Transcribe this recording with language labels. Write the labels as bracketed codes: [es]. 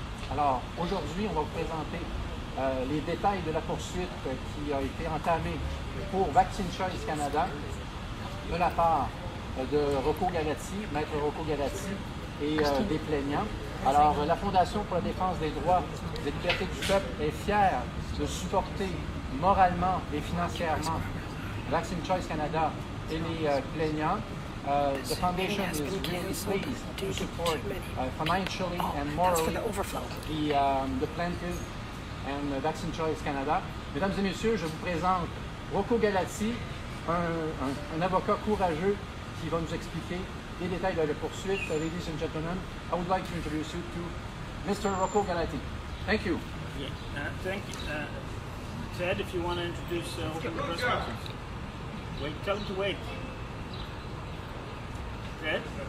[fr] Alors, aujourd'hui, on va vous présenter les détails de la poursuite qui a été entamée pour Vaccine Choice Canada de la part de Rocco Galati, Maître Rocco Galati et des plaignants. Alors, la Fondation pour la défense des droits et des libertés du peuple est fière de supporter moralement et financièrement Vaccine Choice Canada et les plaignants. [en] The foundation is really pleased to support financially and morally the plaintiff and Vaccine Choice Canada. [fr] Mesdames et messieurs, je vous présente Rocco Galati, un avocat courageux qui va nous expliquer les détails de la poursuite. [en] Ladies and gentlemen, I would like to introduce you to Mr. Rocco Galati. Thank you. Yeah, thank you. Ted, if you want to introduce open the press conference. Wait, tell him to wait. Ted?